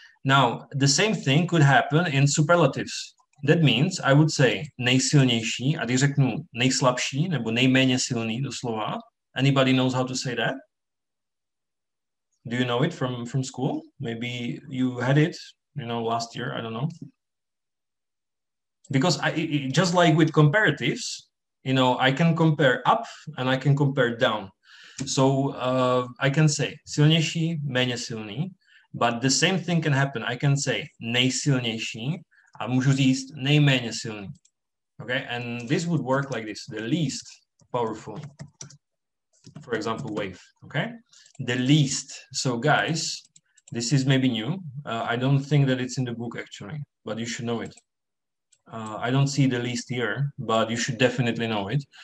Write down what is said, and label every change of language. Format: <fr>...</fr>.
<en>Now, the same thing could happen in superlatives. That means I would say</en> <cs>nejsilnější, a když řeknu nejslabší nebo nejméně silný do slova.</cs> <en>Anybody knows how to say that? Do you know it from school? Maybe you had it, you know, last year, I don't know. Because just like with comparatives, you know, I can compare up and I can compare down. So I can say</en> <cs>silnější, méně silný,</cs> <en>but the same thing can happen. I can say</en> <cs>nejsilnější a můžu říct nejméně silný.</cs> <en>Okay, and this would work like this, the least powerful. For example, wave, okay? The least. So guys, this is maybe new. I don't think that it's in the book actually, but you should know it. I don't see the least here, but you should definitely know it.</en>